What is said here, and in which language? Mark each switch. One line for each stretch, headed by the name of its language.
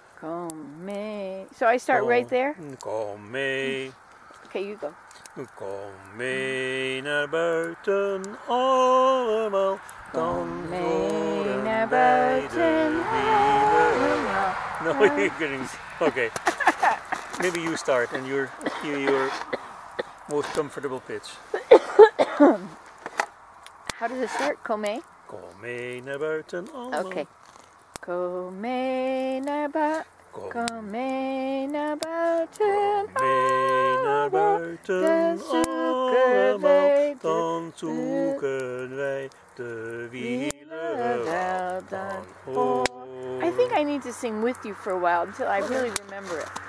Dutch: Kom mee.
English: So I start right there?
Dutch: Kom mee.
English: Okay, you go.
Dutch: Kom mee naar buiten allemaal. Kom mee naar buiten allemaal.
English: No, you're kidding. Okay. Maybe you start and you're most comfortable pitch. How does it start? Kome?
Dutch: Kome naar buiten allemaal. Okay. Kome naar buiten. Kome naar buiten allemaal. Dan zoeken wij de. Dan zoeken wij de wielerwal. Dan
English: I think I need to sing with you for a while until I really remember it.